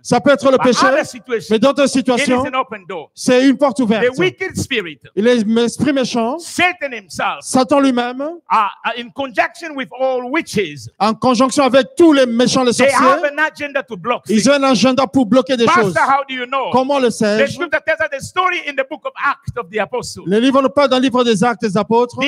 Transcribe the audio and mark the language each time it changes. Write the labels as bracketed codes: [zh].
[fr] ça peut être le péché, mais d'autres situations, [en] it is an open door. [fr] C'est une porte ouverte. [en] The wicked spirit, [fr] l'esprit méchant, [en] Satan himself, [fr] Satan lui-même, [en] in conjunction with all witches, [fr] en conjonction avec tous les méchants, les sorciers, [en] they have an agenda to block [fr] ils ont un agenda pour bloquer des [en] Pastor, [fr] choses. [en] How do you know? [fr] Comment le sais-je? [en] The scripture tells us the story in the book of Acts of the Apostles. [fr] Le livre nous parle dans le livre des Actes des Apôtres.